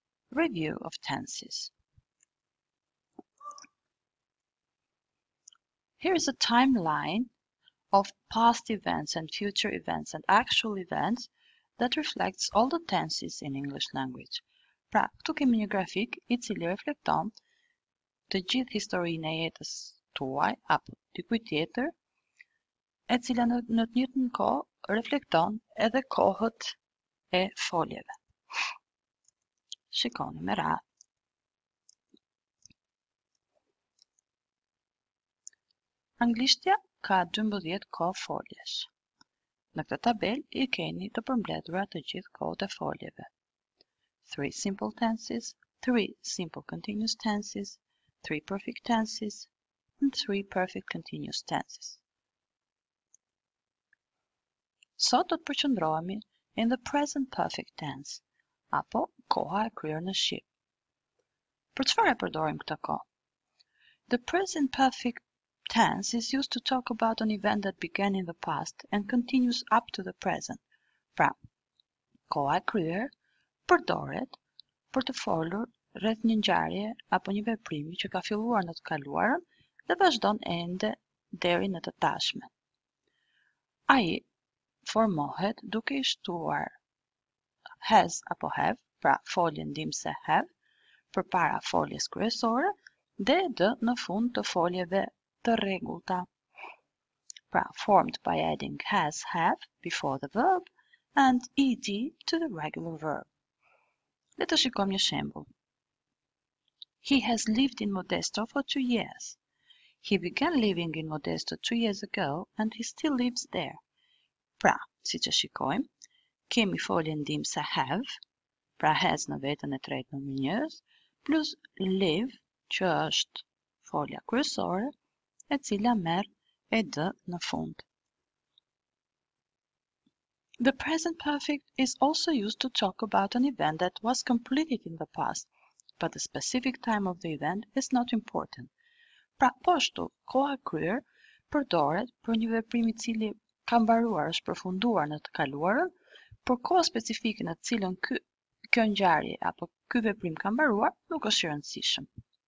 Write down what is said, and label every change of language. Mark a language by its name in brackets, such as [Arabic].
[English] Review of tenses. Here is a timeline of past events and future events and actual events that reflects all the tenses in English language. [Albanian] Pra, këtu kemi një grafik I cili reflekton të gjithë historinë e jetës tuaj apo dikujt tjetër, e cila në të njëjtën kohë reflekton edhe kohët e foljeve. Shikoni me radhë. Anglishtja ka 12 kohë foljesh. Në këtë tabel I keni të përmbledhura të gjithë kohët e foljeve. [English] 3 simple tenses, 3 simple continuous tenses, 3 perfect tenses, and 3 perfect continuous tenses. [Albanian] Sot do të përqendrohemi [English] in the present perfect tense, [Albanian] apo koha e kryer në shqip. Për çfarë e përdorim këtë kohë? [English] The present perfect tense is used to talk about an event that began in the past and continues up to the present. [Albanian] Pra, koha e kryer përdoret për të folur rreth një ngjarje apo një veprimi që ka filluar në të kaluarën dhe vazhdon ende deri në të tashmen. Ai formohet duke I shtuar has apo have, pra foljen ndimse have, përpara foljes kryesore dhe dë në fund të foljeve të rregullta. [English] Pra, formed by adding has, have before the verb and ed to the regular verb. [Albanian] Le të shikojmë një shembull. [English] He has lived in Modesto for 2 years. He began living in Modesto 2 years ago and he still lives there. [Albanian] Pra, siç e shikojmë, kemi foljen ndimse have, pra has në veten e tretë në mënyrës, plus live, që është folja kryesore, e cila merr ed në fund. [English] The present perfect is also used to talk about an event that was completed in the past, but the specific time of the event is not important. [Albanian] Pra, po ashtu, koha kryer përdoret për një veprim I cili ka mbaruar, është përfunduar në të kaluarën, por koha specifike në të cilën kjo ngjarje apo ky veprim ka mbaruar nuk është e rëndësishme.